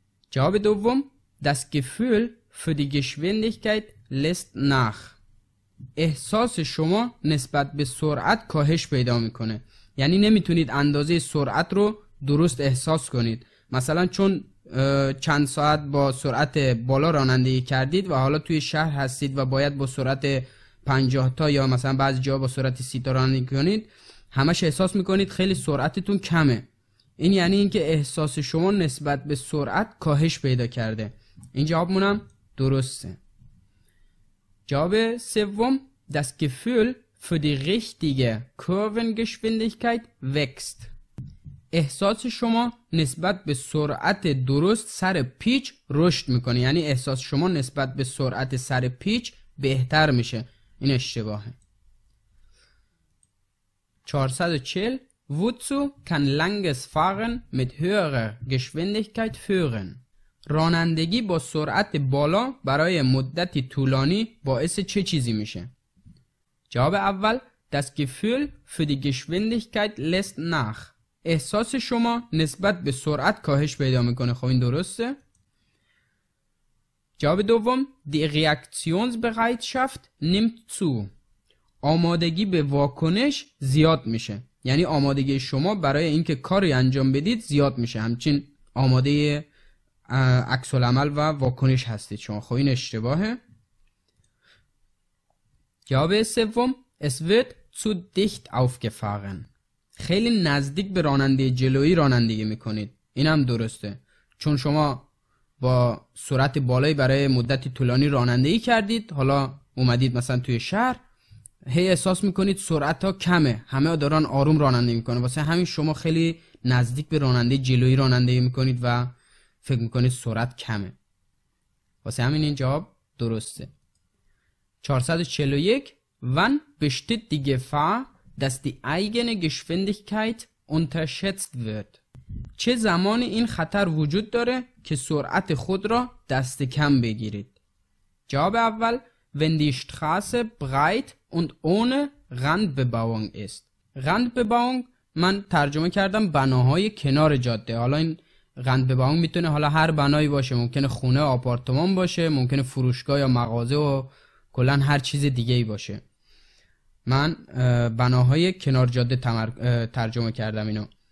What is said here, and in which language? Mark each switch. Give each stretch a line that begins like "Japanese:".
Persian: جواب دوم:
German: Das Gefühl für die Geschwindigkeit lässt nach.
Persian: احساس شما نسبت به سرعت کاهش پیدا میکنه. یعنی نمیتونید اندازه سرعت رو درست احساس کنید. مثلا چون چند ساعت با سرعت بالا رانندگی کردید و حالا توی شهر هستید و باید با سرعت 50 تا یا مثلا بعضی جا با سرعت 30 تا رانندگی کنید، همش احساس میکنید خیلی سرعتتون کمه. این یعنی اینکه احساس شما نسبت به سرعت کاهش پیدا کرده. این جوابمونم درسته. جواب سوم:
German: Das Gefühl für die richtige Kurvengeschwindigkeit wächst.
Persian: احساس شما نسبت به سرعت درست سر پیچ رشد میکنه. یعنی احساس شما نسبت به سرعت سر پیچ بهتر میشه. این اشتباهه.
German: 440 Wozu kann langes Fahren mit höherer Geschwindigkeit führen?
Persian: رانندگی با سرعت بالا برای مدتی طولانی باعث چه چیزی میشه؟ جواب اول:
German: Das Gefühl für die Geschwindigkeit lässt nach.
Persian: احساس شما نسبت به سرعت کاهش پیدا میکنه. خب این درسته؟ جواب دوم:
German: Die Reaktionsbereitschaft nimmt zu.
Persian: آمادگی به واکنش زیاد میشه. یعنی آمادگی شما برای اینکه کاری انجام بدید زیاد میشه. همچنین آماده عکس العمل و واکنش هستید شما. خب این اشتباهه. جواب سوم:
German: Es wird zu dicht aufgefahren.
Persian: خیلی نزدیک به راننده جلویی رانندگی میکنید. اینم درسته. چون شما با سرعت بالایی برای مدتی طولانی رانندگی کردید، حالا اومدید مثلا توی شهر، هی احساس میکنید سرعت ها کمه، همه دارن آروم رانندگی میکنه، واسه همین شما خیلی نزدیک به راننده جلویی رانندگی میکنید و فکر میکنید سرعت کمه، واسه همین این جواب درسته.
German: 441 Wann besteht die Gefahr, dass die eigene Geschwindigkeit unterschätzt wird?
Persian: چه زمانی این خطر وجود داره که سرعت خود را دست کم بگیرید؟ جواب اول:
German: Wenn die Straße breit und ohne Randbebauung ist.
Persian: Randbebauung من ترجمه کردم بناهای کنار جاده. حالا این Randbebauung میتونه حالا هر بنایی باشه، ممکنه خونه، آپارتمان باشه، ممکنه فروشگاه یا مغازه و کلن هر چیز دیگه ای باشه. من بناهای کنار جاده ترجمه کردم اینو.